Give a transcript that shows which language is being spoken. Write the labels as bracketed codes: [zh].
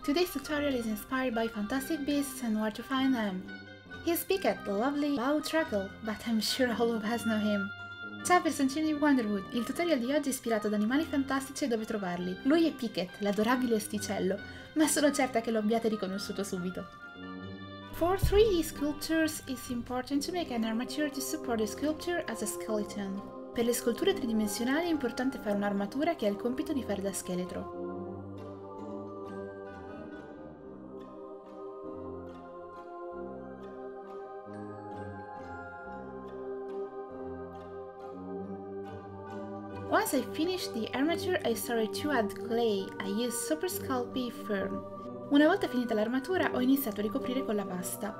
[en] Today's tutorial is inspired by Fantastic Beasts and Where to Find Them. He speaks at the lovely Bow Truckle, but I'm sure all of us know him. [it] Ciao personcini di Wonderwood, il tutorial di oggi è ispirato ad animali fantastici e dove trovarli. Lui è Pickett, l'adorabile sticello, ma sono certa che lo abbiate riconosciuto subito. [en] For 3D sculptures, it's important to make an armature to support the sculpture as a skeleton. [it] Per le sculture tridimensionali è importante fare un'armatura che ha il compito di fare da scheletro. [en] Once I finished the armature, I started to add clay. I used Super Sculpey Firm. [it] Una volta finita l'armatura, ho iniziato a ricoprire con la pasta.